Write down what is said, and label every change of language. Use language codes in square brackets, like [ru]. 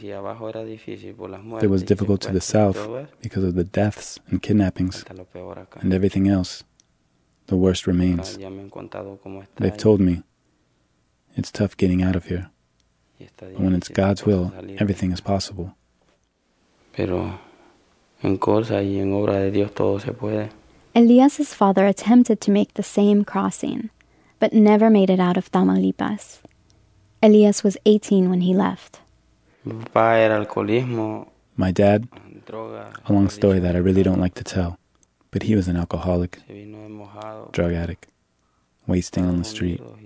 [en] It was difficult to the south because of the deaths and kidnappings and everything else. The worst remains. They've told me, it's tough getting out of here. But when it's God's will, everything is possible. [es] Pero en cosa y en obra de Dios todo se puede. [en] Elias's father attempted to make the same crossing, but never made it out of Tamaulipas. Elias was 18 when he left. My dad, a long story that I really don't like to tell, but he was an alcoholic, drug addict, wasting on the street.